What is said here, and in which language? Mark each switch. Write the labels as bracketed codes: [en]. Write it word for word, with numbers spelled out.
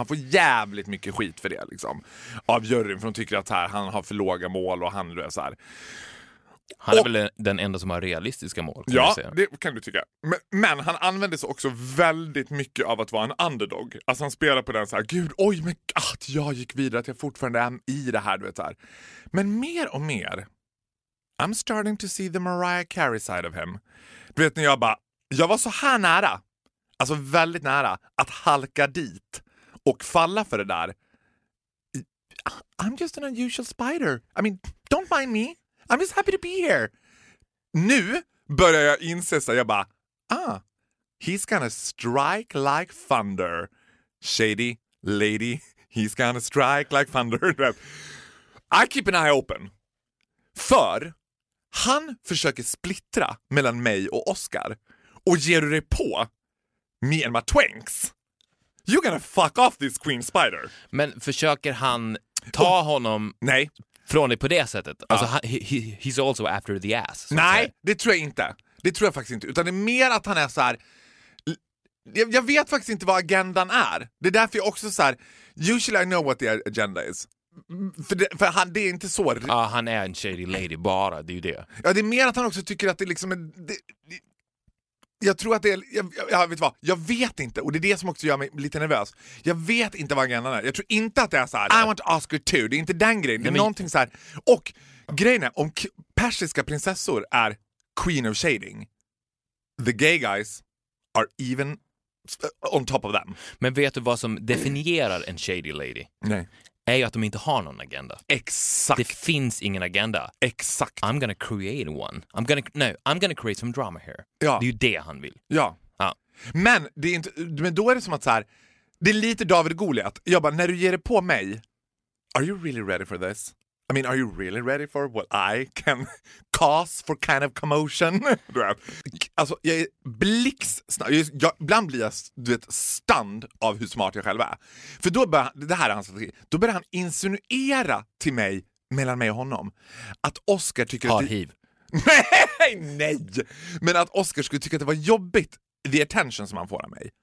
[sv] Och han får jävligt mycket skit för det, liksom. Av juryn, för de tycker att här, han har för låga mål och han är så här... Han är och, väl den enda som har realistiska mål. Ja, jag säga. Det kan du tycka. Men, men han använder sig också väldigt mycket av att vara en underdog. Alltså han spelar på den så här, gud, oj, men att jag gick vidare, att jag fortfarande är i det här, du vet så här. Men mer och mer, [en] I'm starting to see the Mariah Carey side of him. [sv] Du vet, när jag bara, jag var så här nära, alltså väldigt nära, att halka dit och falla för det där. [en] I'm just an unusual spider. I mean, don't mind me. I'm just happy to be here. [sv] Nu börjar jag inse så jag bara, ah, [en] he's gonna strike like thunder. Shady lady, he's gonna strike like thunder. I keep an eye open. [sv] För han försöker splittra mellan mig och Oscar. Och ger du dig på [en] me and my twinks, you're gonna fuck off this queen spider. [sv] Men försöker han ta och, honom... Nej. Från dig på det sättet. Ja. [en] Alltså, he, he, he's also after the ass. [sv] Nej, det tror jag inte. Det tror jag faktiskt inte. Utan det är mer att han är så här... Jag, jag vet faktiskt inte vad agendan är. Det är därför jag också så här. [en] Usually I know what the agenda is. [sv] För, det, för han, det är inte så. Ja, han är en shady lady bara, det är ju det. Ja, det är mer att han också tycker att det liksom är, det, det, jag tror att det är, jag, jag vet vad, jag vet inte. Och det är det som också gör mig lite nervös. Jag vet inte vad agendan är. Jag tror inte att det är så här. [en] I want Oscar too. [sv] Det är inte den grejen. Det är men... någonting så här. Och grejen är, om k- persiska prinsessor är [en] queen of shading, the gay guys are even on top of them. [sv] Men vet du vad som definierar en shady lady? Nej. Är ju att de inte har någon agenda. Exakt. Det finns ingen agenda. Exakt. [en] I'm gonna create one. I'm gonna no, I'm gonna create some drama here. [sv] Ja. Det är ju det han vill. Ja. ja. Men det är inte, men då är det som att så här, det är lite David Goliat. Jag bara, när du ger det på mig, [en] are you really ready for this? I mean, are you really ready for what I can cause for kind of commotion? [sv] Alltså, jag är blixtsnabb. Ibland blir jag, du vet, stunned av hur smart jag själv är. För då börjar, det här är hans strategi, då börjar han insinuera till mig, mellan mig och honom, att Oscar tycker att... hiv. nej, nej! Men att Oscar skulle tycka att det var jobbigt, [en] the attention [sv] som han får av mig.